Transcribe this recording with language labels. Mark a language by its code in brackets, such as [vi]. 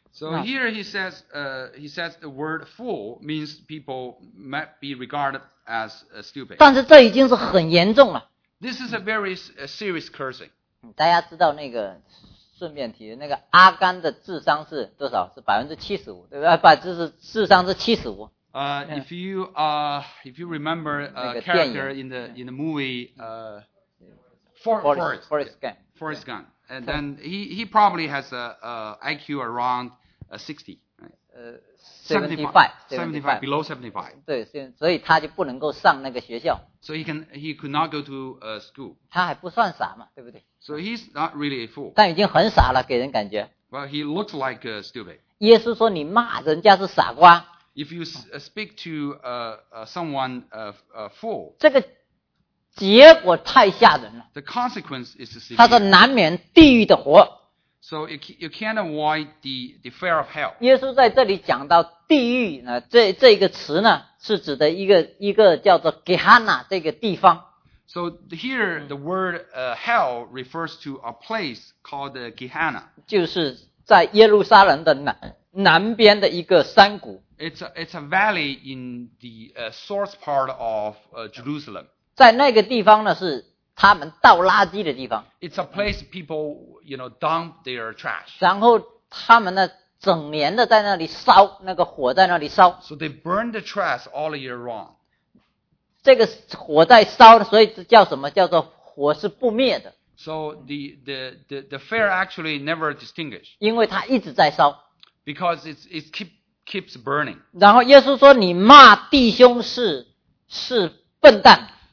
[en] So here he says the word fool means people might be regarded as stupid. [zh] 但是这已经是很严重了。 [en] This is a very serious cursing. [zh] 大家知道那个顺便提那个阿甘的智商是多少？是 75%， 对不对？不，就是智商是75%。 [en] If you remember a character in the movie Forrest Gump. And then he probably has a IQ around 60, right? 75, below 75. [zh] 对，所以他就不能够上那个学校。 [en] So he could not go to school. [zh] 他还不算傻嘛，对不对？ [en] So he's not really a fool. [zh] 但已经很傻了，给人感觉。 [en] Well, he looks like stupid. [zh] 耶稣说你骂人家是傻瓜。 [en] If you speak to someone fool, [zh] 这个结果太吓人了。 [en] The consequence is severe. [zh] 他说难免地狱的火。 [en] So you can't avoid the fire of hell. [zh] 耶稣在这里讲到地狱呢，这个词呢，是指的一个叫做 Gehenna 这个地方。 [en] So here the word hell refers to a place called Gehenna. [zh] 就是在耶路撒冷的南边的一个山谷。 [en] It's a valley in the south part of Jerusalem. [zh] 在那个地方呢，是他们倒垃圾的地方。 [en] It's a place people, you know, dump their trash. [zh] 然后他们呢，整年的在那里烧，那个火在那里烧。 [en] So they burn the trash all year long. [zh] 这个火在烧，所以叫什么？叫做火是不灭的。 [en] So the fire actually never extinguish. [zh] 因为它一直在烧。 [en] Because it keeps burning. [zh] 然后耶稣说你骂弟兄是笨蛋。